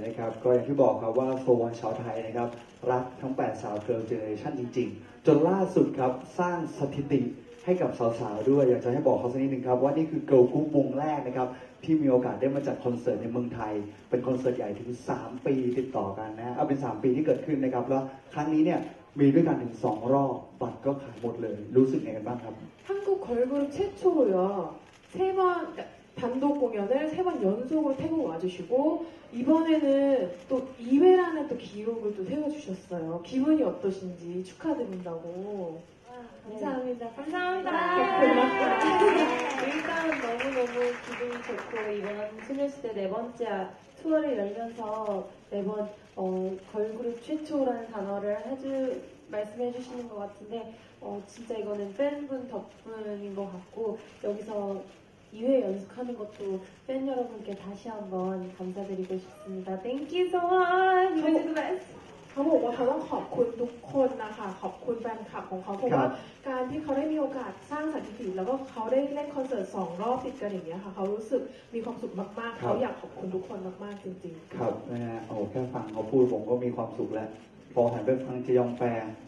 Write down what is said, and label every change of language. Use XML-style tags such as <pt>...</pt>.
<th>ใช่นะครับก็อย่างที่บอกครับว่าโฟวันชาวไทยนะครับรักทั้ง8สาวเกิร์ลเจเนอเรชั่นจริงๆจนล่าสุดครับสร้างสถิติให้กับสาวๆด้วยอยากจะให้บอกเขาสักนิดนึงครับว่านี่คือเกิร์ลกรุ๊ปวงแรกนะครับที่มีโอกาสได้มาจัดคอนเสิร์ตในเมืองไทยเป็นคอนเสิร์ตใหญ่ถึง3ปีติดต่อกันนะเอาเป็น3ปีที่เกิดขึ้นนะครับแล้วครั้งนี้เนี่ยมีด้วยกันถึง2รอบบัตรก็ขายหมดเลยรู้สึกไงกันบ้างครับ</th> <ko>한국걸그룹최초요세번단독공연을세번연속으로태국와주시고이번에는또2회라는또기록을또세워주셨어요기분이어떠신지축하드린다고 일단너무너무기분이좋고이번소녀시대네번째투어를열면서매번걸그룹최초라는단어를해주말씀해주시는것같은데진짜이거는팬분덕분인것같고여기서2회연속하는것도팬여러분께다시한번감사드리고싶습니다</ko> <en>Thank you so much. You're the best.</en> <th>เขาบอกว่าเขาต้องขอบคุณทุกคนนะคะขอบคุณแฟนคลับของเขาเพราะว่าการที่เขาได้มีโอกาสสร้างสถิติแล้วก็เขาได้เล่นคอนเสิร์ต2รอบติดกันอย่างเงี้ยค่ะเขารู้สึกมีความสุขมากๆเขาอยากขอบคุณทุกคนมากๆจริง ๆครับนะฮะโอ้แค่ฟังเขาพูดผมก็มีความสุขแล้วพอหันไปฟังจะยองแฟน</th>